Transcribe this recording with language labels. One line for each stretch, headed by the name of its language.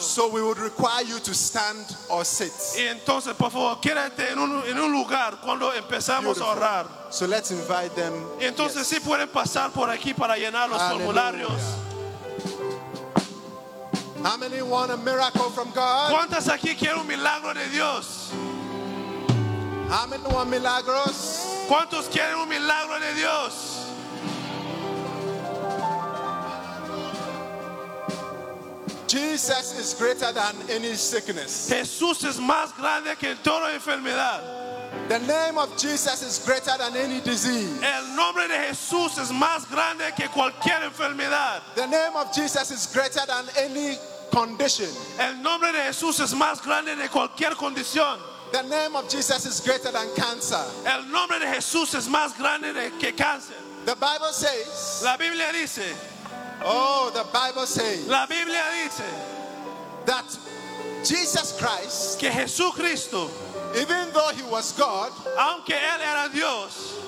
English: So we would require you to stand or sit.
Spanish: Y entonces, por favor, quédate en un lugar cuando empezamos a orar.
English: So let's invite them.
Spanish: Y entonces, yes. Sí pueden pasar por aquí para llenar los
English: Hallelujah.
Spanish: Formularios.
English: How many want a miracle from God?
Spanish: ¿Cuántos aquí quieren un milagro de Dios?
English: How many want milagros?
Spanish: ¿Cuántos quieren un milagro de Dios?
English: Jesus is greater than any sickness.
Spanish: Jesús es más grande que toda enfermedad.
English: The name of Jesus is greater than any disease.
Spanish: El nombre de Jesús es más grande que cualquier enfermedad.
English: The name of Jesus is greater than any condition.
Spanish: El nombre de Jesús es más grande que cualquier condición.
English: The name of Jesus is greater than cancer.
Spanish: El nombre de Jesús es más grande que cáncer.
English: The Bible says.
Spanish: La Biblia dice.
English: Oh, the Bible says.
Spanish: La Biblia dice
English: that Jesus Christ,
Spanish: que Jesucristo,
English: even though he was God,
Spanish: aunque él era Dios,